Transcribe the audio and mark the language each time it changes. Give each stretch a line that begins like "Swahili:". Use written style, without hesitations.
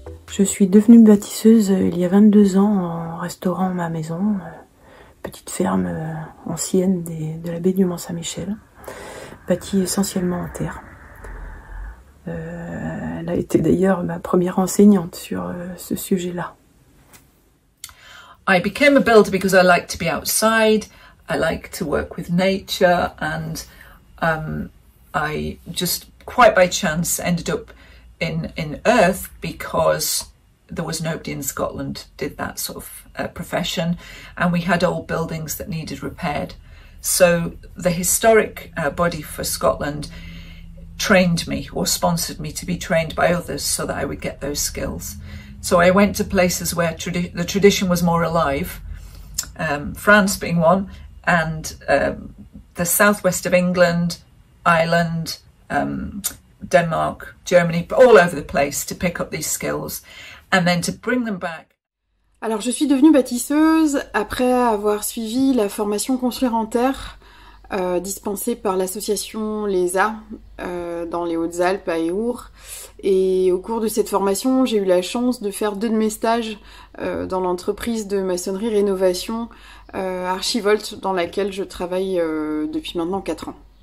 French: Je suis devenue bâtisseuse il y a 22 ans en restaurant ma maison, petite ferme ancienne de la baie du Mont-Saint-Michel, bâtie essentiellement en terre. Elle a été d'ailleurs ma première enseignante sur ce sujet-là.
English: I became a builder because I like to be outside, I like to work with nature, and I just quite by chance ended up in earth because there was nobody in Scotland did that sort of profession, and we had old buildings that needed repaired. So the historic body for Scotland trained me or sponsored me to be trained by others so that I would get those skills. So I went to places where the tradition was more alive, France being one, and the southwest of England, Ireland, Denmark, Germany, all over the place to pick up these skills and then to bring them back.
French: Alors, je suis devenue bâtisseuse après avoir suivi la formation Construire en Terre dispensée par l'association LESA dans les Hautes-Alpes à Eyours. Et au cours de cette formation, j'ai eu la chance de faire deux de mes stages dans l'entreprise de maçonnerie rénovation Archivolt, dans laquelle je travaille depuis maintenant 4 ans.